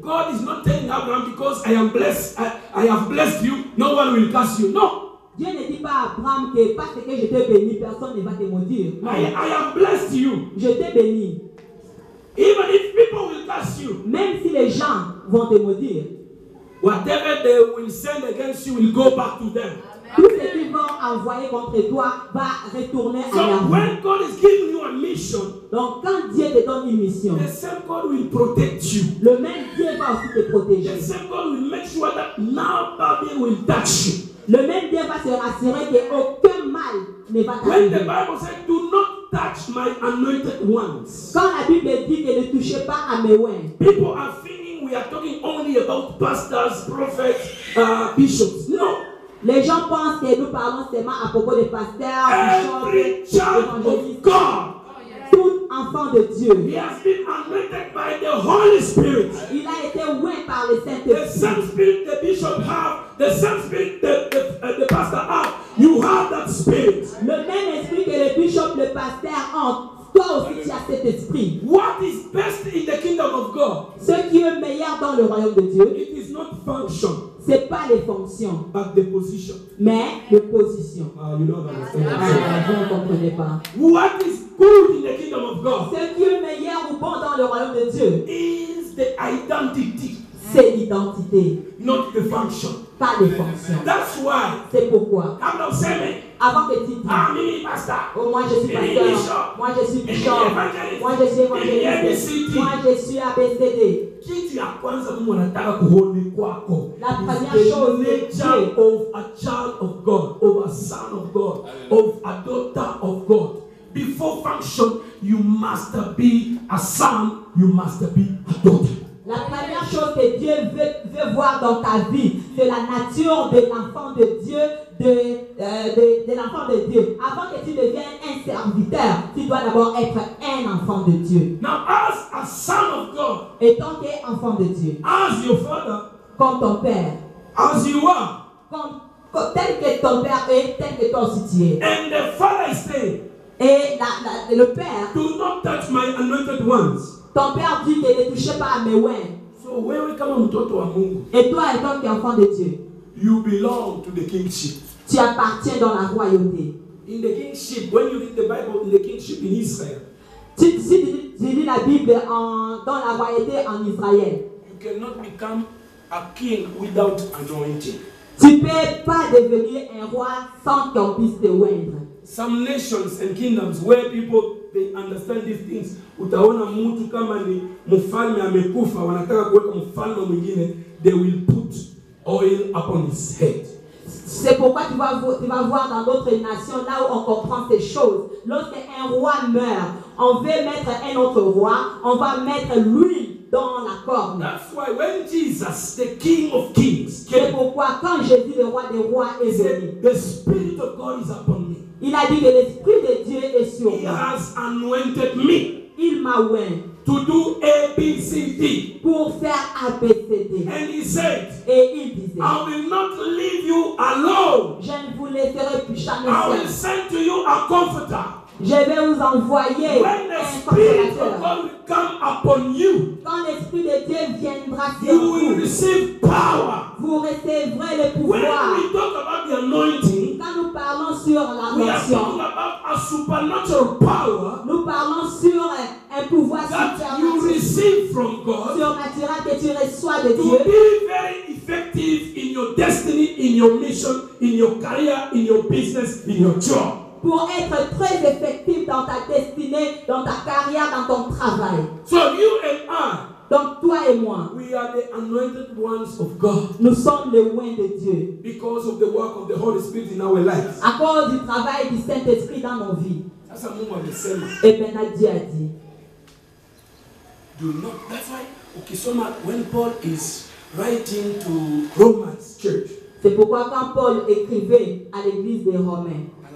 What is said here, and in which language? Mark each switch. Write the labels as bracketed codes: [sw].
[en] God is not telling Abraham because I am blessed. I have blessed you. No one will curse you. No. [fr] Dieu ne dit pas à Abraham que parce que je t'ai béni, personne ne va te maudire. [en] I have blessed you. [fr] Je t'ai béni. [en] Even if people will curse you. [fr] Même si les gens vont te maudire. [en] Whatever they will send against you will go back to them. [fr] Tout ce qu'ils vont envoyer contre toi va retourner à la vie. [en] When God is giving you a mission, [fr] donc quand Dieu te donne une mission, [en] the same God will protect you. [fr] Le même Dieu va aussi te protéger. [en] The same God will make sure that nobody will touch you. [fr] Le même Dieu va se rassurer que aucun mal ne va t'arriver. [en] When the Bible says, "Do not touch my anointed ones," [fr] quand la Bible dit que ne touchez pas à mes oints, [en] people are thinking we are talking only about pastors, prophets, bishops. No. [fr] Les gens pensent que nous parlons seulement à propos des pasteurs, des chants, des évangélistes. Tout enfant de Dieu. [en] He has been anointed by the Holy Spirit. [fr] Il a été oint par le Saint-Esprit. [en] The same spirit the bishop have, the same spirit the pastor have. You have that spirit. [fr] Le même esprit que le bishop, le pasteur ont. Toi aussi tu as cet esprit. [en] What is best in the kingdom of God? [fr] Ce qui est meilleur dans le royaume de Dieu. [en] It is not function. [fr] C'est pas les fonctions. [en] But the position. [fr] Mais les positions. [en] Ah, you don't understand. [fr] Ah, vous ne comprenez pas. [en] What is good in the kingdom of God? [fr] Ce qui est meilleur ou bon dans le royaume de Dieu. [en] Is the identity. [fr] C'est l'identité. [en] Not the function. [fr] Pas les fonctions. [en] That's why. [fr] C'est pourquoi. [en] I'm not serving. [fr] Avant que tu dis. Ah, mini pasteur. Moi je suis pasteur. Moi je suis bishop. Moi je suis évangéliste. Moi je suis ABCD. Qui tu as commencé mon attaque pour honorer quoi quoi. La première chose. [en] Child of a child of God, of a son of God, of a daughter of God. Before function, you must be a son, you must be a daughter. [fr] La première chose que Dieu veut voir dans ta vie, c'est la nature de l'enfant de Dieu, de l'enfant de Dieu. Avant que tu deviennes un serviteur, tu dois d'abord être un enfant de Dieu. [en] Now, as a son of God, [fr] étant que enfant de Dieu, [en] as your father, [fr] comme ton père, [en] as you are, [fr] comme tel que ton père est, tel que toi aussi tu es, [en] and the father is there. [fr] Et le père. [en] Do not touch my anointed ones. [fr] Ton père dit que ne touche pas à mes ouins. [en] So where we come to Amun? [fr] Et toi, étant qui enfant de Dieu. [en] You belong to the kingship. [fr] Tu appartiens dans la royauté. [en] In the kingship, when you read the Bible, in the kingship in Israel. [fr] Tu lis la Bible dans la royauté en Israël. [en] You cannot become a king without anointing. [fr] Tu peux pas devenir un roi sans qu'on puisse te oindre. [en] Some nations and kingdoms where people they understand these things. [sw] Utaona mtu kama ni mfalme amekufa wanataka kuweka mfalme mwingine, [en] they will put oil upon his head. [fr] C'est pourquoi tu vas voir dans d'autres nations là où on comprend ces choses. Lorsque un roi meurt, on veut mettre un autre roi, on va mettre l'huile dans la corne. [en] That's why when Jesus, the King of Kings, came, [fr] c'est pourquoi quand Jésus le roi des rois est venu, [en] the Spirit of God is upon me. [fr] Il a dit que l'Esprit de Dieu est sur moi. [en] He has anointed me. [fr] Il m'a oint. [en] To do A, B, C, D. [fr] Pour faire A, B, C, D. [en] And he said, [fr] et il disait, [en] I will not leave you alone. [fr] Je ne vous laisserai plus jamais seul. [en] I will send to you a comforter. [fr] Je vais vous envoyer un consolateur. Quand l'Esprit de Dieu viendra sur vous, [en] you will receive power. [fr] Vous recevrez le pouvoir. [en] When we talk about the anointing, [fr] quand nous parlons sur la [en] notion, we are talking about a supernatural power. [fr] Nous parlons sur un pouvoir supernatural. [en] You receive from God. [fr] Surnaturel que tu reçois de Dieu. [en] To be very effective in your destiny, in your mission, in your career, in your business, in your job. [fr] Pour être très effectif dans ta destinée, dans ta carrière, dans ton travail. [en] So you and I, [fr] donc toi et moi, [en] we are the anointed ones of God. [fr] Nous sommes les oints de Dieu. [en] Because of the work of the Holy Spirit in our lives. [fr] À cause du travail du Saint-Esprit dans nos vies. [en] That's [fr] et bien, Dieu a dit. [en] Do not. That's why. Okay, so when Paul is writing to Romans church, [fr] c'est pourquoi quand Paul écrivait à l'église des Romains.